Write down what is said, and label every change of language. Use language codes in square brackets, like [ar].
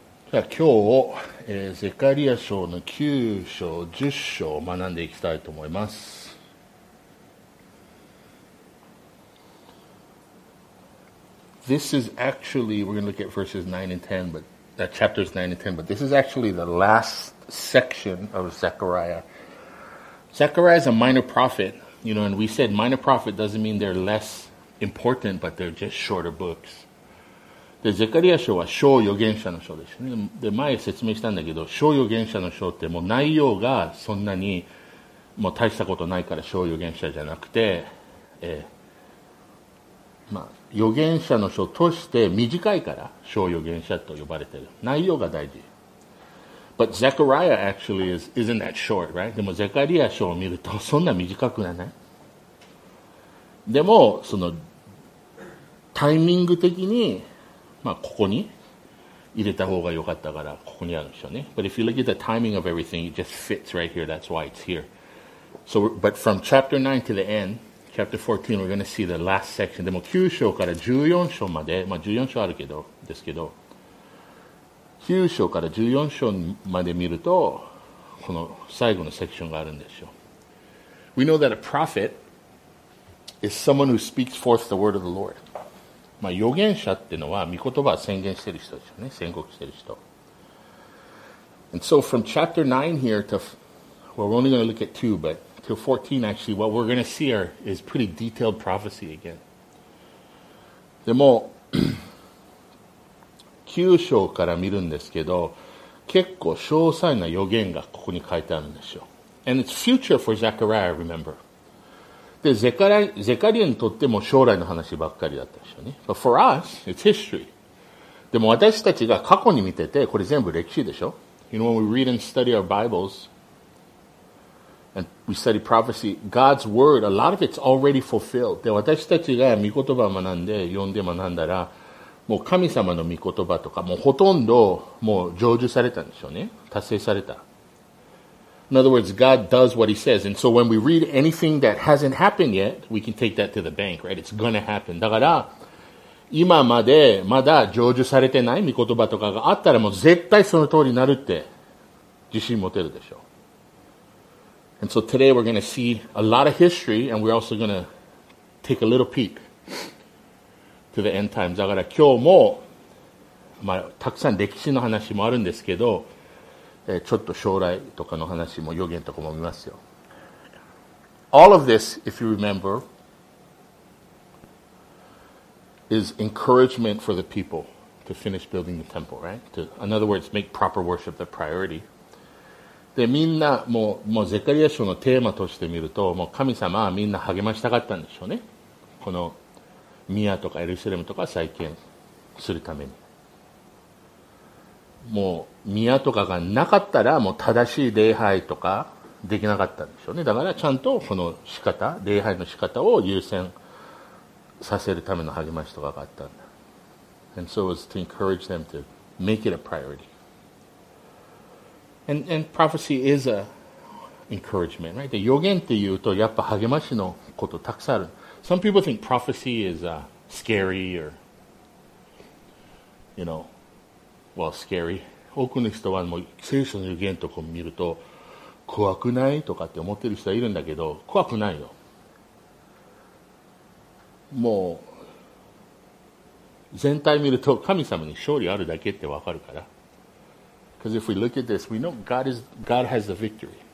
[ja] じゃあ今日を、ゼカリア書の9章10章を学んでいきたいと思います。 [en] This is actually, we're going to look at verses 9 and 10, but that chapters 9 and 10, but this is actually the last section of Zechariah. Zechariah is a minor prophet, you know, and we said minor prophet doesn't mean they're less important, but they're just shorter books. [ja] で、ゼカリア書は小預言者の書ですね。で、前説明したんだけど、小預言者の書ってもう内容がそんなにもう大したことないから小預言者じゃなくて、まあ、預言者の書として短いから小預言者と呼ばれてる。内容が大事。 [en] But Zechariah actually isn't that short, right? [ja] でもゼカリア書を見るとそんな短くない？でも、そのタイミング的にまあ、ここに入れた方が良かったからここにあるんでしょうね。 [en] But if you look at the timing of everything, it just fits right here. That's why it's here. So, but from chapter 9 to the end, chapter 14, we're going to see the last section. [ja] でも9章から14章まで、まあ14章あるけど、ですけど、9章から14章まで見ると、この最後のセクションがあるんでしょう。 [en] We know that a prophet is someone who speaks forth the word of the Lord. [ja] まあ、預言者っていうのは、御言葉を宣言してる人ですよね。宣告してる人。 [en] And so from chapter 9 here to, well, we're only going to look at 2, but to 14 actually, what we're going to see are, is pretty detailed prophecy again. [ja] でも、9章から見るんですけど、結構詳細な預言がここに書いてあるんですよ。 [en] And it's future for Zechariah, remember. [ja] で、ゼカリアにとっても将来の話ばっかりだったでしょうね。 [en] But for us, it's history. [ja] でも私たちが過去に見てて、これ全部歴史でしょ。 [en] You know, when we read and study our Bibles, and we study prophecy, God's word, a lot of it's already fulfilled. [ja] で、私たちが御言葉を学んで、読んで学んだら、もう神様の御言葉とか、もうほとんど、もう成就されたんでしょうね。達成された。 [en] In other words, God does what he says. And so when we read anything that hasn't happened yet, we can take that to the bank, right? It's going to happen. [ja] だから、今までまだ成就されてない御言葉とかがあったらもう絶対その通りになるって自信持てるでしょう。 [en] And so today we're going to see a lot of history and we're also going to take a little peek to the end times. [ja] だから今日も、まあ、たくさん歴史の話もあるんですけど、ちょっと将来とかの話も予言とかも見ますよ。 [en] All of this, if you remember, is encouragement for the people to finish building the temple, right? To, in other words, make proper worship the priority. [ja] で、みんなもうゼカリア書のテーマとして見ると、もう神様はみんな励ましたかったんでしょうね。この宮とかエルサレムとか再建するために。もう宮とかがなかったらもう正しい礼拝とかできなかったんでしょうね。だからちゃんとこの仕方、礼拝の仕方を優先させるための励ましとかがあったんだ。 [en] And so it was to encourage them to make it a priority. And prophecy is a encouragement, right? [ja] で、予言っていうとやっぱ励ましのことたくさんある。 [en] Some people think prophecy is scary or, you know,Well, scary. [ja] 多くの人はもう聖書の預言とかを見ると怖くないとかって思ってる人はいるんだけど怖くないよ。もう全体見ると神様に勝利あるだけってわかるから。 [en] Because if we look at this, we know God has the victory.